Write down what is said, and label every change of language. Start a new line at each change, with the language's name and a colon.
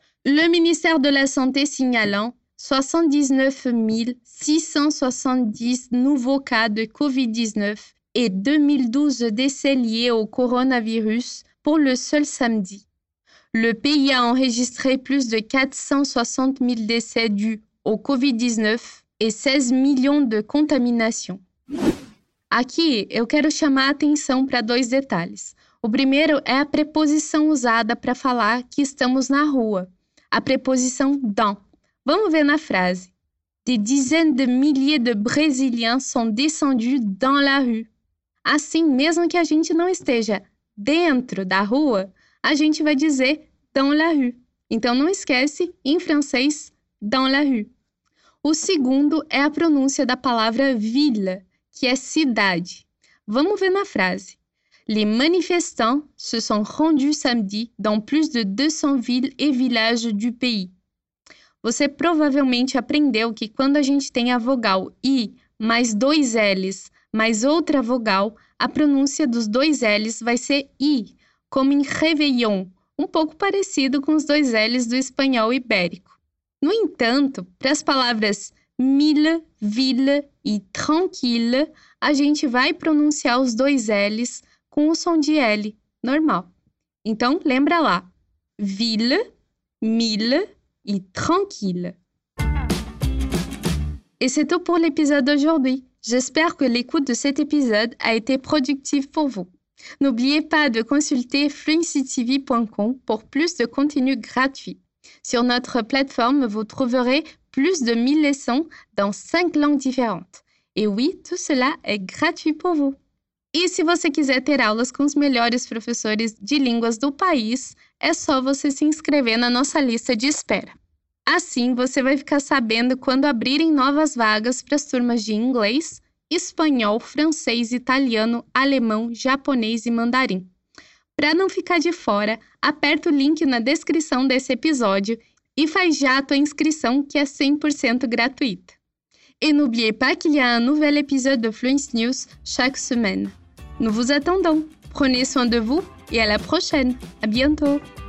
French: Le ministère de la Santé signalant 79 670 nouveaux cas de Covid-19 et 2012 décès liés au coronavirus pour le seul samedi. Le pays a enregistré plus de 460 000 décès dus au Covid-19 et 16 millions de contaminations.
Portuguese: Aqui eu quero chamar a atenção para dois detalhes. O primeiro é a preposição usada para falar que estamos na rua, a preposição dans. Vamos ver na frase.
French: Des dizaines de milliers de Brésiliens sont descendus dans la rue.
Portuguese: Assim, mesmo que a gente não esteja dentro da rua, a gente vai dizer dans la rue. Então, não esquece, em francês, dans la rue. O segundo é a pronúncia da palavra ville, que é cidade. Vamos ver na frase.
French: Les manifestants se sont rendus samedi dans plus de 200 villes et villages du pays.
Portuguese: Você provavelmente aprendeu que quando a gente tem a vogal I mais dois L's mais outra vogal, a pronúncia dos dois L's vai ser I, como em réveillon, um pouco parecido com os dois L's do espanhol ibérico. No entanto, para as palavras mille, ville e tranquille, a gente vai pronunciar os dois L's com o som de L, normal. Então, lembra lá: ville, mille.
French: Et tranquille. Et c'est tout pour l'épisode d'aujourd'hui. J'espère que l'écoute de cet épisode a été productive pour vous. N'oubliez pas de consulter fluencytv.com pour plus de contenu gratuit. Sur notre plateforme, vous trouverez plus de 1000 leçons dans 5 langues différentes. Et oui, tout cela est gratuit pour vous.
Portuguese: E se você quiser ter aulas com os melhores professores de línguas do país, é só você se inscrever na nossa lista de espera. Assim, você vai ficar sabendo quando abrirem novas vagas para as turmas de inglês, espanhol, francês, italiano, alemão, japonês e mandarim. Para não ficar de fora, aperta o link na descrição desse episódio e faz já a tua inscrição, que é 100% gratuita.
French: E n'oubliez pas qu'il y a un nouvel épisode de Fluence News chaque semaine. Nous vous attendons. Prenez soin de vous et à la prochaine. À bientôt.